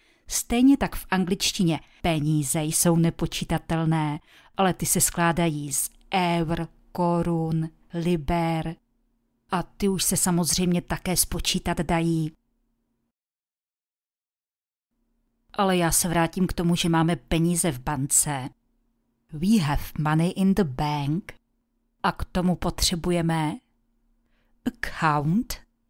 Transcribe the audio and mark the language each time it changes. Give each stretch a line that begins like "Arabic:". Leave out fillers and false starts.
Czech: Stejně tak v angličtině peníze jsou nepočítatelné, ale ty se skládají z eur, korun, liber a ty už se samozřejmě také spočítat dají. Ale já se vrátím k tomu, že máme peníze v bance.
English: We have money in the bank.
Czech: A k tomu potřebujeme account.